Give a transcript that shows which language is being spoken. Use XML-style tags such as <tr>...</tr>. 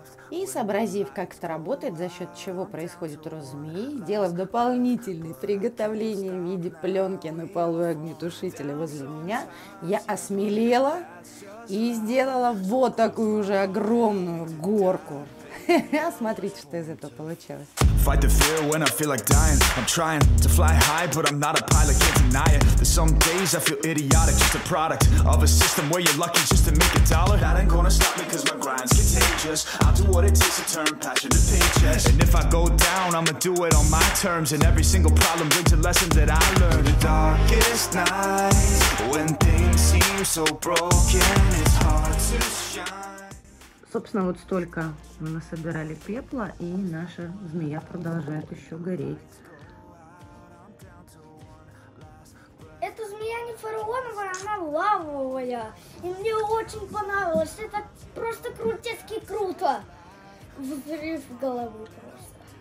<ru>И сообразив, как это работает, за счет чего происходит рост змеи, сделав дополнительное приготовление в виде пленки на полу огнетушителя возле меня, я осмелела и сделала вот такую уже огромную горку. Смотрите, что из этого получилось.</ru> <en>Fight the fear when I feel like dying. I'm trying to fly high, but I'm not a pilot, can't deny it. There's some days I feel idiotic, just a product of a system where you're lucky just to make a dollar. That ain't gonna stop me cause my grind's contagious. I'll do what it takes to turn passion to paychecks. And if I go down, I'ma do it on my terms. And every single problem brings a lesson that I learned. The darkest night, when things seem so broken, it's hard to shine.</en> <ru>Собственно, вот столько мы насобирали пепла, и наша змея продолжает еще гореть. Эта змея не фараоновая, она лавовая. И мне очень понравилось. Это просто крутецки круто. Взрыв головы просто.</ru>